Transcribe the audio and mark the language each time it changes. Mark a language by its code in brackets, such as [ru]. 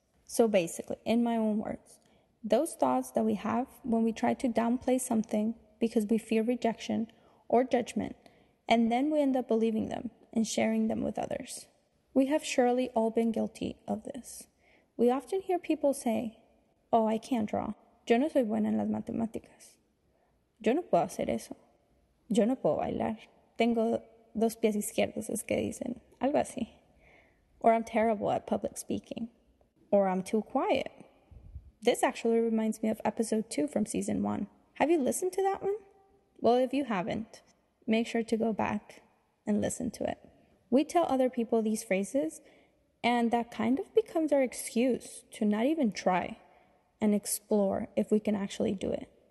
[en] So basically, in my own words, those thoughts that we have when we try to downplay something because we fear rejection or judgment, and then we end up believing them and sharing them with others. We have surely all been guilty of this. We often hear people say, oh, I can't draw. [es] Yo no soy buena en las matemáticas. Yo no puedo hacer eso. Yo no puedo bailar. Tengo dos pies izquierdos, es que dicen. Algo así. [en] Or I'm terrible at public speaking. Or I'm too quiet. This actually reminds me of episode 2 from season 1. Have you listened to that one? Well, if you haven't, make sure to go back and listen to it. We tell other people these phrases, and that kind of becomes our excuse to not even try and explore if we can actually do it.